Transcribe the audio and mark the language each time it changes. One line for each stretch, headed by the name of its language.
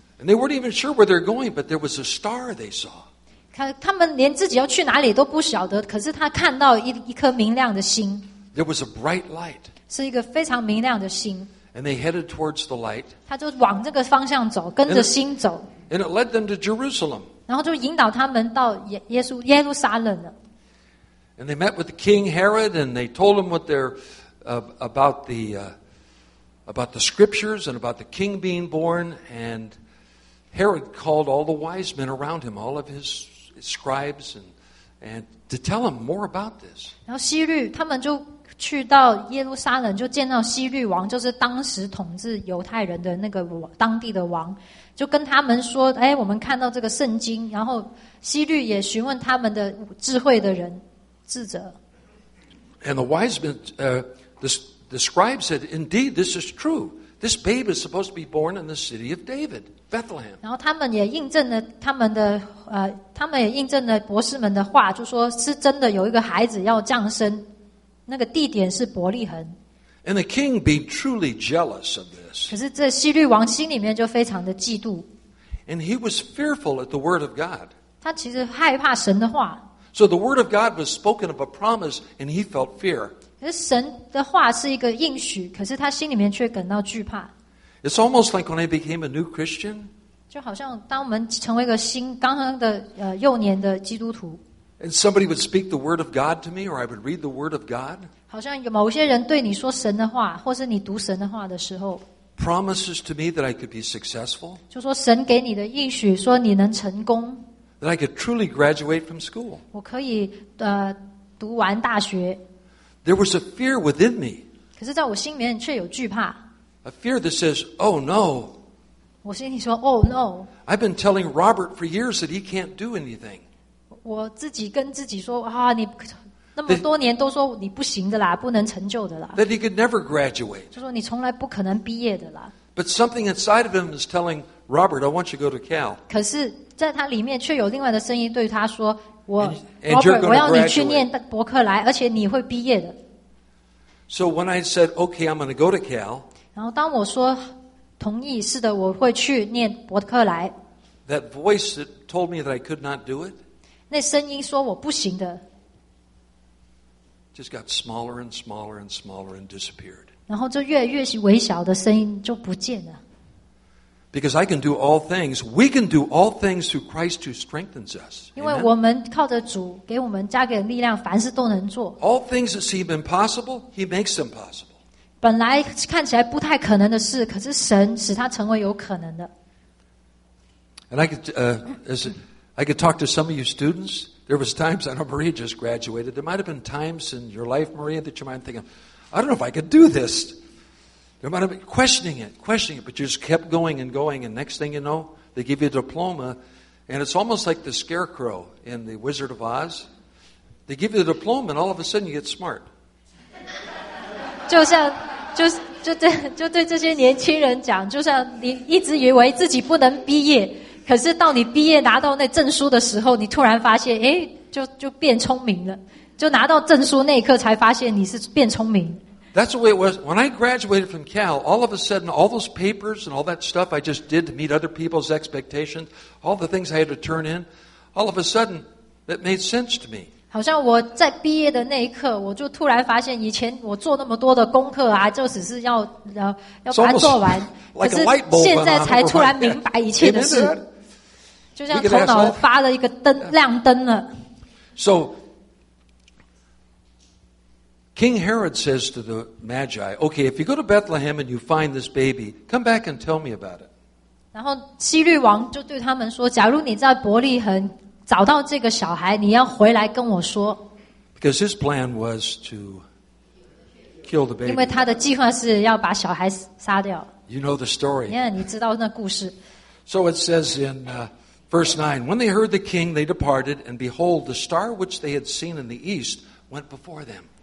English: And they weren't even sure where they're going, but there was a star they saw.
Chinese: 他们连自己要去哪里都不晓得，可是他看到一颗明亮的星。
English: There was a bright light.
Chinese: 是一个非常明亮的星。
English: And they headed towards the light.
Chinese: 他就往这个方向走，跟着星走。
English: And it led them to Jerusalem.
Chinese: 然后就引导他们到耶路撒冷了。
English: And they met with the king Herod, and they told him what they're about the scriptures and about the king being born. And Herod called all the wise men around him, all of his scribes, and to tell him more about this.
Chinese: 然后希律他们就去到耶路撒冷，就见到希律王，就是当时统治犹太人的那个当地的王。就跟他们说，哎，我们看到这个圣经，然后希律也询问他们的智慧的人智者。
English: And the wise men, the scribe said, indeed, this is true. This babe is supposed to be born in the city of David, Bethlehem.
Chinese: 然后他们也印证了他们也印证了博士们的话，就说是真的有一个孩子要降生，那个地点是伯利恒。
English: And the king being truly jealous of this.
Chinese: 可是这希律王心里面就非常的嫉妒。
English: And he was fearful at the word of God.
Chinese: 他其实害怕神的话。
English: So the word of God was spoken of a promise, and he felt fear.
Chinese: 可是神的话是一个应许，可是他心里面却感到惧怕。
English: It's almost like when I became a new Christian.
Chinese: 就好像当我们成为一个新刚刚的幼年的基督徒。
English: And somebody would speak the word of God to me, or I would read the word of God.
Chinese: 好像有某些人对你说神的话，或是你读神的话的时候。
English: Promises to me that I could be successful.
Chinese: 就说神给你的应许，说你能成功。
English: That I could truly graduate from school.
Chinese: 我可以读完大学。
English: There was a fear within me.
Chinese: 可是在我心里面却有惧怕。
English: A fear that says, "Oh no."
Chinese: 我心里说
English: "Oh no." I've been telling Robert for years that he can't do anything.
Chinese: 我自己跟自己说啊，你那么多年都说你不行的啦，不能成就的啦。
English: That he could never graduate.
Chinese: 就说你从来不可能毕业的啦。
English: But something inside of him is telling Robert, "I want you to go to Cal."
Chinese: 可是在他里面却有另外的声音对他说，我 Robert, 我要你去念伯克莱，而且你会毕业的。
English: So when I said, "Okay, I'm going to go to Cal."
Chinese: 然后当我说同意，是的，我会去念伯克莱。
English: That voice that told me that I could not do it.
Chinese: 那声音说我不行的
English: just got smaller and smaller and smaller and disappeared.
Chinese: 然后就越来越微小的声音就不见了。
English: Because I can do all things, we can do all things through Christ who strengthens us.
Chinese: 因为我们靠着主给我们加给力量，凡事都能做。
English: All things that seem impossible, he makes them possible.
Chinese: 本来看起来不太可能的事，可是神使它成为有可能的。
English: And I could, I could talk to some of you students. There was times, I know Maria just graduated. There might have been times in your life, Maria, that you might think, I don't know if I could do this. There might have been questioning it, but you just kept going and going. And next thing you know, they give you a diploma. And it's almost like the scarecrow in The Wizard of Oz. They give you the diploma, and all of a sudden you get smart.
Chinese: 就像就对这些年轻人讲，就像你一直以为自己不能毕业。可是到你毕业拿到那证书的时候，你突然发现，哎，就变聪明了。就拿到证书那一刻，才发现你是变聪明。
English: That's the way it was when I graduated from Cal. All of a sudden, all those papers and all that stuff I just did to meet other people's expectations, all the things I had to turn in, all of a sudden, that made sense to me.
Chinese: 好像我在毕业的那一刻，我就突然发现，以前我做那么多的功课啊，就只是要把它做完。可是现在才突然明白一切的事，就像头脑发了一个灯亮灯了。
English: So King Herod says to the Magi, "Okay, if you go to Bethlehem and you find this baby, come back and tell me about it."
Chinese: 然后希律王就对他们说：“假如你在伯利恒找到这个小孩，你要回来跟我说。”
English: Because his plan was to kill the baby.
Chinese: 因为他的计划是要把小孩杀掉。
English: You know the story.
Chinese: Yeah, 你知道那故事。
English: So it says in verse 9, when they heard the king, they departed, and behold, the star which they had seen in the east went before them.